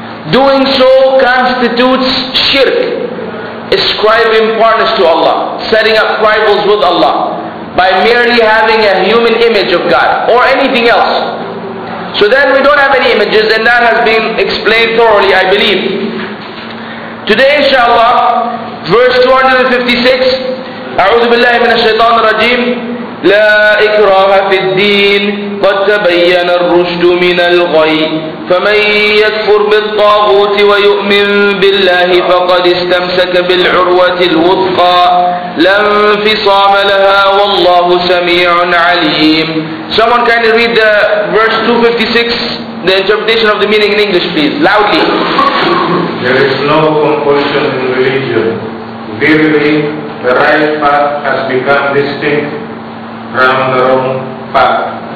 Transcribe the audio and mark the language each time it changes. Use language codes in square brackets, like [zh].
[en] Doing so constitutes shirk, ascribing partners to Allah, setting up rivals with Allah by merely having a human image of God or anything else. So then we don't have any images, and that has been explained thoroughly, I believe. Today, inshallah, verse 256, [ar] أعوذ بالله من الشيطان الرجيم. لا إكراه في الدين قد تبين الرشد من الغي فمن يكفر بالطاغوت ويؤمن بالله فقد استمسك بالعروة الوثقى لا انفصام لها والله سميع عليم. [en] Someone can read the verse 256, the interpretation of the meaning in English, please, loudly. There is no compulsion in religion. Verily, the right path has become distinct from the wrong path.